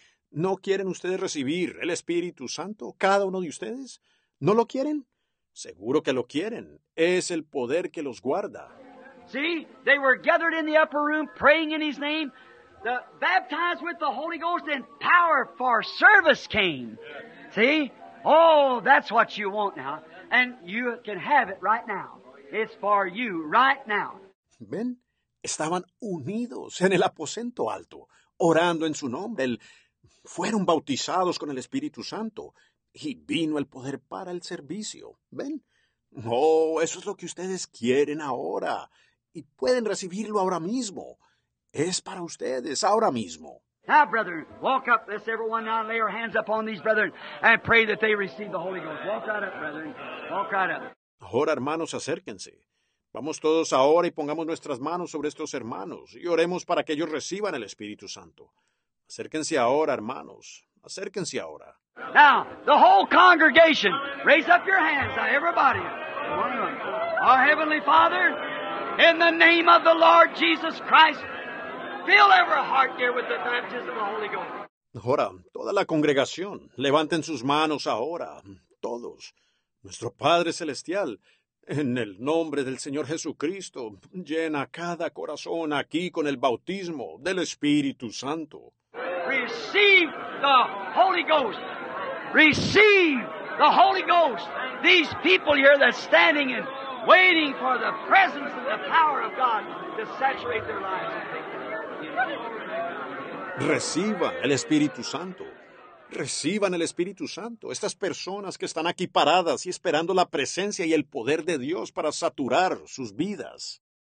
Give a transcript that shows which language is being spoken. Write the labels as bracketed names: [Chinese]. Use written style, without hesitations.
[Spanish] ¿No quieren ustedes recibir el Espíritu Santo, cada uno de ustedes? ¿No lo quieren? Seguro que lo quieren. Es el poder que los guarda. [English] See, they were gathered in the upper room, praying in His name. The baptized with the Holy Ghost and power for service came. See? Oh, that's what you want now. And you can have it right now. It's for you right now. [Spanish] ¿Ven? Estaban unidos en el aposento alto, orando en su nombre. Fueron bautizados con el Espíritu Santo. Y vino el poder para el servicio. ¿Ven? Oh, eso es lo que ustedes quieren ahora. Y pueden recibirlo ahora mismo. Es para ustedes ahora mismo. [English] Now, brethren, walk up. Let's everyone now lay your hands upon these brethren and pray that they receive the Holy Ghost. Walk right up, brethren. Walk right up. [Spanish] Ahora, hermanos, acérquense. Vamos todos ahora y pongamos nuestras manos sobre estos hermanos y oremos para que ellos reciban el Espíritu Santo. Acérquense ahora, hermanos. Acérquense ahora. [English] Now, the whole congregation, raise up your hands, everybody. Our Heavenly Father, in the name of the Lord Jesus Christ, fill every heart here with the baptism of the Holy Ghost. [Spanish] Ahora, toda la congregación, levanten sus manos ahora, todos. Nuestro Padre Celestial, en el nombre del Señor Jesucristo, llena cada corazón aquí con el bautismo del Espíritu Santo. [English] Receive the Holy Ghost. Receive the Holy Ghost. These people here that are standing and waiting for the presence and the power of God to saturate their lives. [Spanish] Reciban el Espíritu Santo. Reciban el Espíritu Santo. Estas personas que están aquí paradas y esperando la presencia y el poder de Dios para saturar sus vidas.